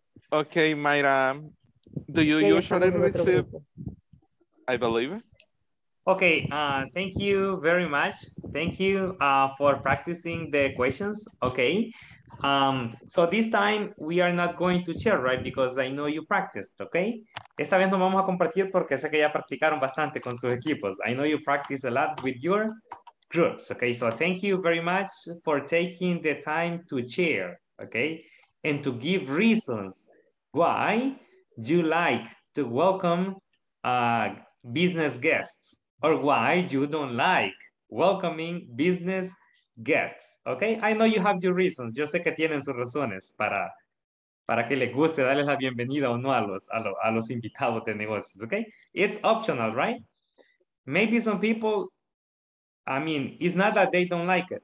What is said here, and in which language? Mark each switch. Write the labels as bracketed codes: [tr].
[en] Okay, Mayra, do you usually receive? I believe. Okay, thank you very much. Thank you for practicing the questions. Okay. So this time we are not going to share, right? Because I know you practiced, okay? [es] Esta vez no vamos a compartir porque sé que ya practicaron bastante con sus equipos. [en] I know you practice a lot with your groups, okay? So thank you very much for taking the time to share, okay? And to give reasons why you like to welcome business guests or why you don't like welcoming business guests, okay? I know you have your reasons. [es] Yo sé que tienen sus razones para que les guste darles la bienvenida o no a los invitados de negocios, okay? [en] It's optional, right? Maybe some people, I mean, it's not that they don't like it.